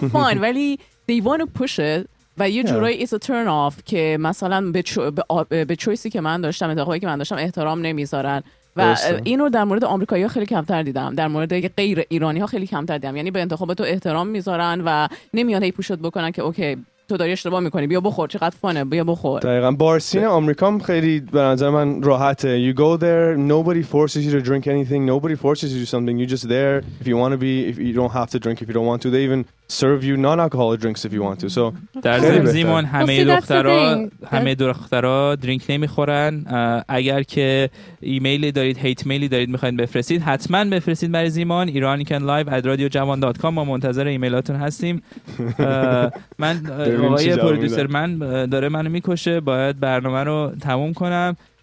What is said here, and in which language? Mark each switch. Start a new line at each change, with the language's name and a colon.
Persian: you go and have fun، ولی they want to push it و یه جورایی it's a turn off که مثلا به چویسی که من داشتم، انتخابی که من داشتم احترام نمیذارن. و اینو در مورد آمریکایی‌ها خیلی کمتر دیدم، در مورد غیر ایرانی‌ها خیلی کمتر دیدم. یعنی به انتخاب تو احترام میذارن و نمیان هی پوشت بکنن که اوکی تو داری اشتباه میکنی، بیا بخور، چقدر فانه، بیا بخور. دقیقاً بارسین آمریکا هم خیلی به نظر من راحته.
English: You go there, nobody forces you to drink anything, nobody forces you to do something. You're just there if you want to be, if you don't have to drink if you don't want to. They even serve you non-alcoholic drinks if you want to. So
Persian: در زمزمون همه دخترها درینک نمیخورن. اگر که ایمیلی دارید، هیت میلی دارید میخواین بفرستید، حتما بفرستید برای زمان. iranicanlive@radiojavan.com ما منتظر ایمیلاتون هستیم. من آقای پرودوسر من داره منو میکشه، باید برنامه رو تموم کنم.